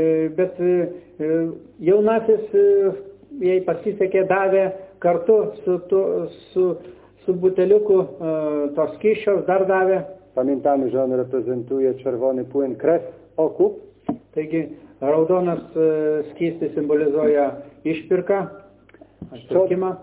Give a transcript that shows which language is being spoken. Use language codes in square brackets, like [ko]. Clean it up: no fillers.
[lt] bet jaunasis jej pasisekė davė kartu su buteliuku to skysčio dar davė. [pl] Pamiętamy, że on reprezentuje czerwony płyn, krew, okup. [lt] Taigi, raudonas skysty symbolizuje išpirką, atsukimą.